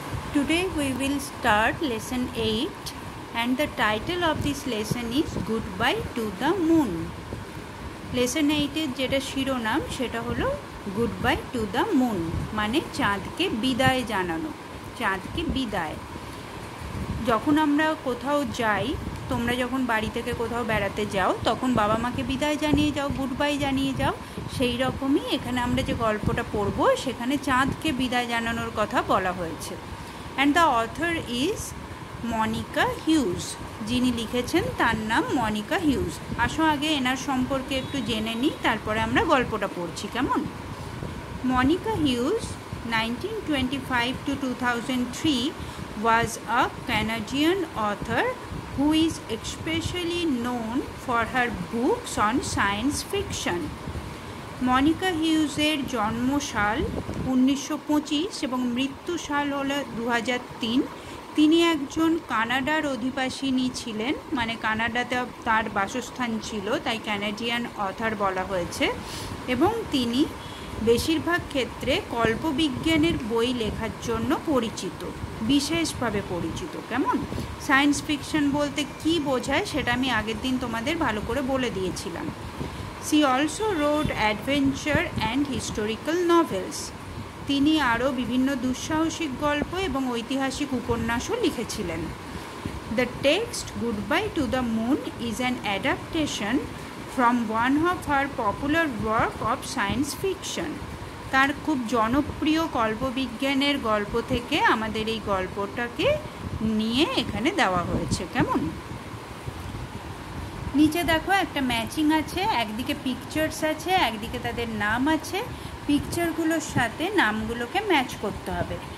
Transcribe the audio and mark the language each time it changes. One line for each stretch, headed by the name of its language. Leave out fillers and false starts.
English: Today we will start lesson 8 and the title of this lesson is Goodbye to the Moon.
Bangla: Lesson 8 এর যেটা শিরোনাম সেটা হলো Goodbye to the Moon, মানে চাঁদকে বিদায় জানানো, চাঁদকে বিদায়। যখন আমরা কোথাও যাই, তোমরা যখন বাড়ি থেকে কোথাও বেড়াতে যাও, তখন বাবা মাকে বিদায় জানিয়ে যাও, গুডবাই জানিয়ে যাও, সেই রকমই এখানে আমরা যে গল্পটা পড়ব সেখানে চাঁদকে বিদায় জানানোর কথা বলা হয়েছে।
English: And the author is Monica Hughes.
Bangla: যিনি লিখেছেন তার নাম Monica Hughes. আসো আগে এনার সম্পর্কে একটু জেনে নিই, তারপরে আমরা গল্পটা পড়ছি, কেমন?
English: Monica Hughes, 1925 to 2003, was a Canadian author who is especially known for her books on science fiction.
Bangla: Monika হিউজের জন্মসাল 1925 এবং মৃত্যুসাল হল 2003। তিনি একজন কানাডার অধিবাসিনী ছিলেন, মানে কানাডাতে তার বাসস্থান ছিল, তাই ক্যানাডিয়ান অথর বলা হয়েছে। এবং তিনি বেশিরভাগ ক্ষেত্রে কল্পবিজ্ঞানের বই লেখার জন্য পরিচিত, বিশেষভাবে পরিচিত। কেমন? সায়েন্স ফিকশন বলতে কি বোঝায় সেটা আমি আগের দিন তোমাদের ভালো করে বলে দিয়েছিলাম।
English: She also wrote adventure and historical novels.
Bangla: তিনি আরও বিভিন্ন দুঃসাহসিক গল্প এবং ঐতিহাসিক উপন্যাসও লিখেছিলেন।
English: The text Goodbye to the Moon is an adaptation from one of her popular work of science fiction.
Bangla: তার খুব জনপ্রিয় কল্পবিজ্ঞানের গল্প থেকে আমাদের এই গল্পটাকে নিয়ে এখানে দেওয়া হয়েছে, কেমন? নিচে দেখো একটা ম্যাচিং আছে, একদিকে পিকচার্স আছে, একদিকে তাদের নাম আছে, পিকচারগুলোর সাথে নামগুলোকে ম্যাচ করতে হবে।